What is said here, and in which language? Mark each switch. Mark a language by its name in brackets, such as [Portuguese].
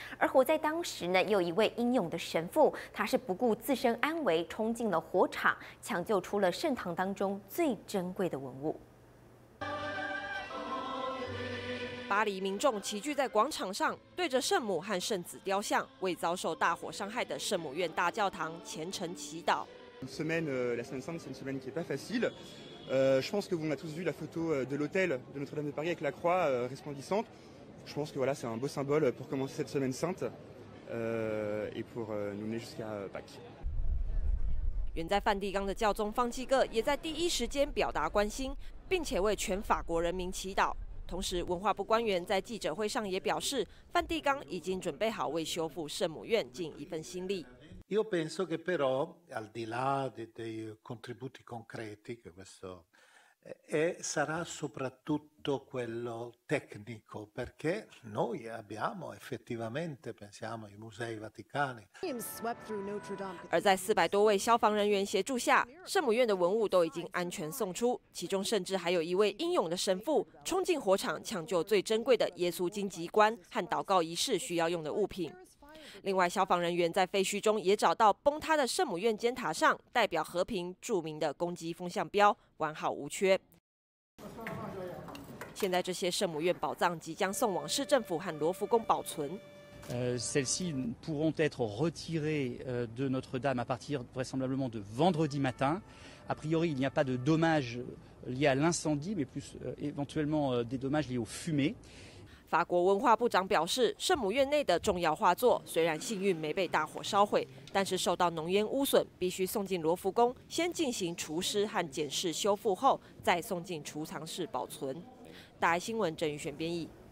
[Chinese] 而活在当时呢，有一位英勇的神父，他是不顾自身安危冲进了火场，抢救出了圣堂当中最珍贵的文物。巴黎民众齐聚在广场上，对着圣母和圣子雕像，为遭受大火伤害的圣母院大教堂虔诚祈祷。 [French] La Sainte Sainte, c'est une semaine qui est pas facile. Je pense que vous avez tous vu la photo de l'hôtel de Notre-Dame de Paris avec la croix resplendissante. Je pense que voilà, c'est un beau symbole pour commencer cette semaine sainte et pour nous mener jusqu'à Pâques. [Chinese] 远在梵蒂冈的教宗方济各也在第一时间表达关心，并且为全法国人民祈祷。同时，文化部官员在记者会上也表示，梵蒂冈已经准备好为修复圣母院尽一份心力。 [Italian] Io penso che però al di là dei contributi concreti che questo sarà soprattutto quello tecnico, perché noi abbiamo effettivamente pensiamo ai musei Vaticani. [Chinese] 而在400多位消防人员协助下，圣母院的文物都已经安全送出，其中甚至还有一位英勇的神父冲进火场抢救最珍贵的耶稣荆棘冠和祷告仪式需要用的物品。另外，消防人员在废墟中也找到崩塌的圣母院尖塔上代表和平著名的攻击风向标，完好无缺。现在这些圣母院宝藏即将送往市政府和罗浮宫保存。 [French] Celles-ci pourront être retirées de Notre-Dame à partir vraisemblablement de vendredi matin. A priori, il n'y a pas de dommages liés à l'incendie, mais plus éventuellement des dommages liés aux fumées. [Chinese] 法国文化部长表示，圣母院内的重要画作虽然幸运没被大火烧毁，但是受到浓烟污损，必须送进罗浮宫，先进行除湿和检视修复后，再送进储藏室保存。大爱新闻郑宇璇编译。